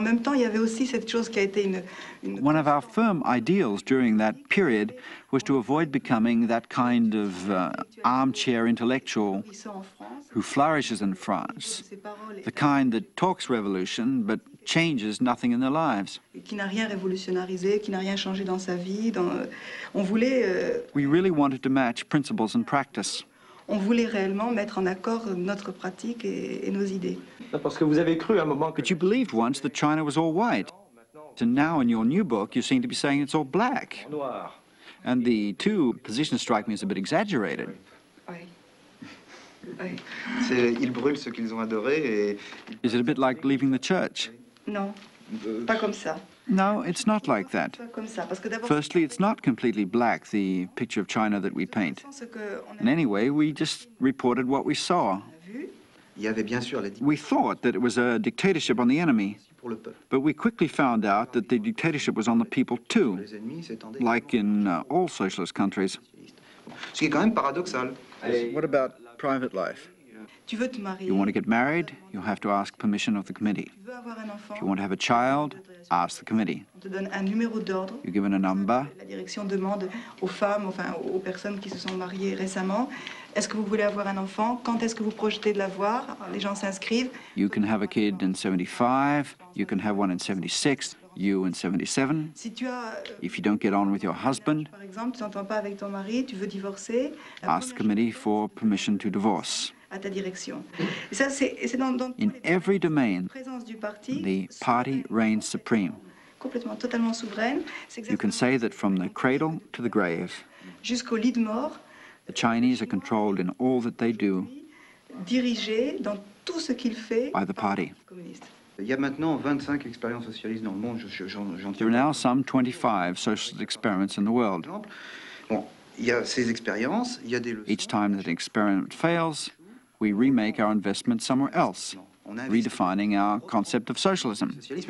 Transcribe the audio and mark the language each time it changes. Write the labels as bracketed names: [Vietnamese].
[English] One of our firm ideals during that period was to avoid becoming that kind of armchair intellectual who flourishes in France, the kind that talks revolution but changes nothing in their lives. We really wanted to match principles and practice. [French] On voulait réellement mettre en accord notre pratique et nos idées. Parce que vous avez cru à un moment que... [English] But you believed once that China was all white. And now in your new book, you seem to be saying it's all black. [French] Noir. [English] And the two positions strike me as a bit exaggerated. [French] C'est, ils brûlent ce qu'ils ont adoré et... [English] Is it a bit like leaving the church? [French] Non, pas comme ça. [English] No, it's not like that. Firstly, it's not completely black, the picture of China that we paint. And anyway, we just reported what we saw. We thought that it was a dictatorship on the enemy, but we quickly found out that the dictatorship was on the people too, like in all socialist countries. What about private life? [French] Tu veux te marier, [English] you want to get married, you'll have to ask permission of the committee. [French] Tu veux avoir un enfant, [English] if you want to have a child, ask the committee. [French] On te donne un numéro d'ordre. [English] You're given a number. [French] La direction demande aux femmes, enfin aux personnes qui se sont mariées récemment, est-ce que vous voulez avoir un enfant? Quand est-ce que vous projetez de l'avoir? Les gens s'inscrivent. [English] You can have a kid in 75, you can have one in 76, you in 77. [French] Si tu as, [English] if you don't get on with your husband, [French] par exemple, tu t'entends pas avec ton mari, tu veux divorcer, [English] ask the committee for permission to divorce. [French] À ta direction. Et ça, c'est dans [English] in every domain, [French] du parti, [English] the party reigns supreme. [French] Complètement, totalement souveraine. C'est [English] you can say that from the cradle to the grave, [French] jusqu'au lit de mort, [English] the Chinese are controlled in all that they do, [French] dirigé dans tout ce qu'il fait [English] by the party. [French] Il y a maintenant 25 expériences socialistes dans le monde. [English] There are now some 25 socialist experiments in the world. [French] Bon, il y a ces expériences, il y a des leçons. [English] Each time that an experiment fails, we remake our investment somewhere else, redefining our concept of socialism.